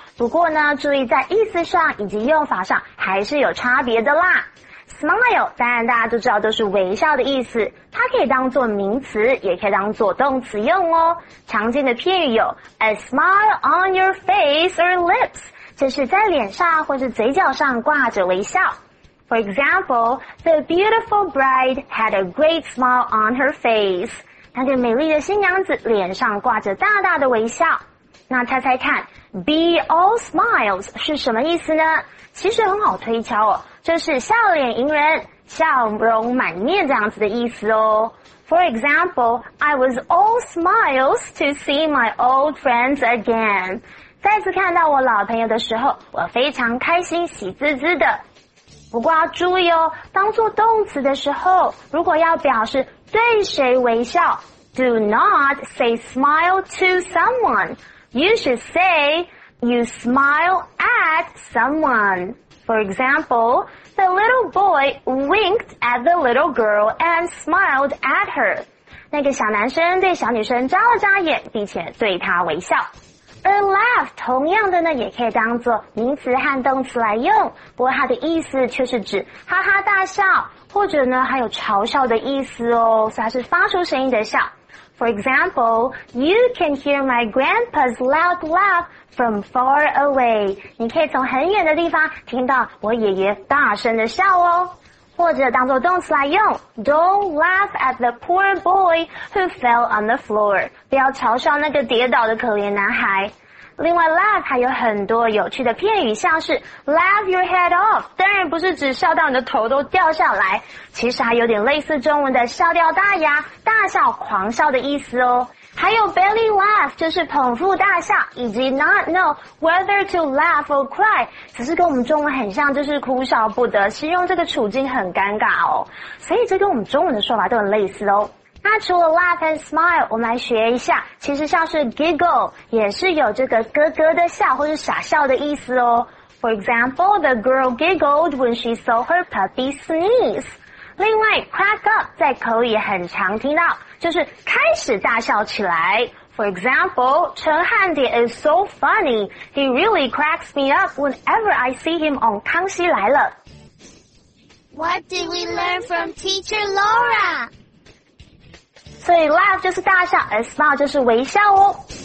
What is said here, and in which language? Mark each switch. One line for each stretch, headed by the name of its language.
Chinese: 不过呢，注意在意思上以及用法上还是有差别的啦。 smile 当然大家都知道就是微笑的意思，它可以当作名词也可以当作动词用哦。常见的片语有 a smile on your face or lips，就是在脸上或是嘴角上挂着微笑。
English: For example, the beautiful bride had a great smile on her face，
Chinese: 那个美丽的新娘子脸上挂着大大的微笑。那猜猜看 be all smiles 是什么意思呢？其实很好推敲哦，就是笑脸迎人，笑容满面这样子的意思哦。
English: For example, I was all smiles to see my old friends again，
Chinese: 再次看到我老朋友的时候，我非常开心，喜滋滋的。不过要注意哦，当作动词的时候，如果要表示对谁微笑，
English: Do not say smile to someone. You should say you smile at someone. For example, the little boy winked at the little girl and smiled at her.
Chinese: 那个小男生对小女生眨了眨眼，并且对她微笑。而 laugh 同样的呢，也可以当作名词和动词来用，不过它的意思却是指哈哈大笑，或者呢还有嘲笑的意思哦，所以它是发出声音的笑。
English: For example, you can hear my grandpa's loud laugh from far away.
Chinese: 你可以从很远的地方听到我爷爷大声的笑哦。或者当作动词来用，
English: Don't laugh at the poor boy who fell on the floor，
Chinese: 不要嘲笑那个跌倒的可怜男孩。另外 laugh 还有很多有趣的片语，像是
English: laugh your head off，
Chinese: 当然不是只笑到你的头都掉下来，其实还有点类似中文的笑掉大牙，大笑狂笑的意思哦。还有 belly laugh 就是捧腹大笑，以及
English: not know whether to laugh or cry，
Chinese: 只是跟我们中文很像，就是哭笑不得，形容这个处境很尴尬哦。所以这跟我们中文的说法都很类似哦。那除了 laugh and smile， 我们来学一下，其实像是 giggle 也是有这个咯咯的笑或是傻笑的意思哦。
English: For example, the girl giggled when she saw her puppy sneeze。
Chinese: 另外 crack up 在口语也很常听到，就是开始大笑起来。
English: For example, 陈汉典 is so funny, he really cracks me up whenever I see him on 康熙来了。 What did we learn from teacher Laura?
Chinese: 所以 laugh 就是大笑， and smile 就是微笑哦。